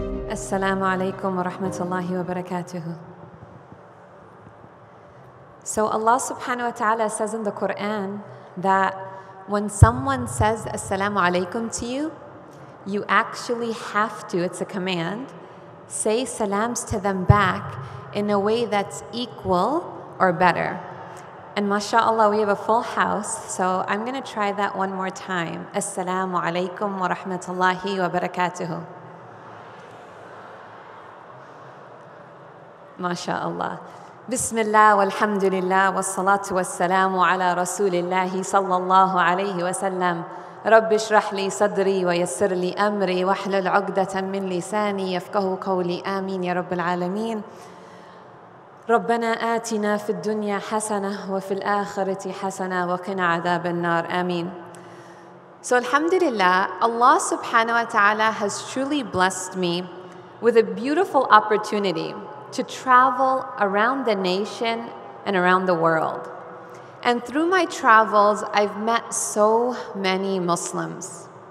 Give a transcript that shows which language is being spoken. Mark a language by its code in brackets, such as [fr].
[ar] Assalamu alaikum wa rahmatullahi wa barakatuhu. [en] So Allah subhanahu wa ta'ala says in the Quran that when someone says assalamu alaikum to you, you actually have to, it's a command, say salams to them back in a way that's equal or better. And mashallah, we have a full house, so I'm going to try that one more time. [ar] Assalamu alaikum wa rahmatullahi wa barakatuhu. MashaAllah. Bismillah walhamdulillah wa salatu wa salamu ala rasulillahi sallallahu alayhi wa sallam. Rabbi shrah li sadri wa yassir li amri wa hlul uqdatan min lisani yafqahu qawli amin ya rabbil alameen. ربنا آتنا في الدنيا حسنة وفي الآخرة حسنة وقنا عذاب النار آمين. [en] So alhamdulillah, Allah subhanahu wa ta'ala has truly blessed me with a beautiful opportunity to travel around the nation and around the world. And through my travels, I've met so many Muslims.